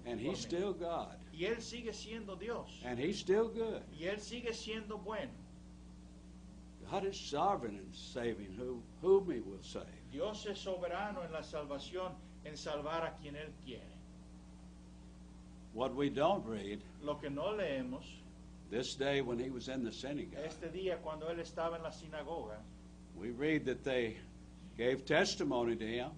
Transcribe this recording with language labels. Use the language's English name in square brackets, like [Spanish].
[English] And he's still God. [Spanish] Y él sigue siendo Dios. [English] And he's still good. [Spanish] Y él sigue siendo bueno. [English] God is sovereign in saving whom he will save. [Spanish] Dios es soberano en la salvación, en salvar a quien él quiere. [English] What we don't read. [Spanish] Lo que no leemos. [English] This day when he was in the synagogue. [Spanish] Este día cuando él estaba en la sinagoga. [English] We read that they gave testimony to him.